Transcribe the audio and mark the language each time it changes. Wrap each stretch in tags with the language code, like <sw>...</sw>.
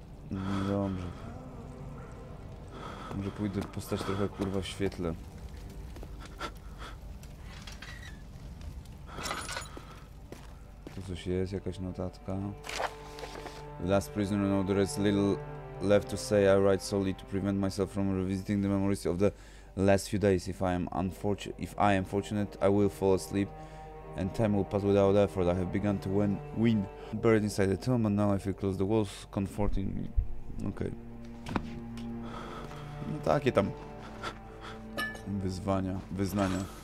<pl>No dobrze. Może pójdę postać trochę kurwa w świetle. Tu coś jest, jakaś notatka.</pl> <en>Last prisoner, no, there is little left to say. I write solely to prevent myself from revisiting the memories of the last few days. If I am fortunate, I will fall asleep. And time will pass without effort. I have begun to win. Buried inside the tomb, and now I feel close the walls, comforting me. Okay.</en> <pl>No takie tam wyzwania, wyznania.</pl>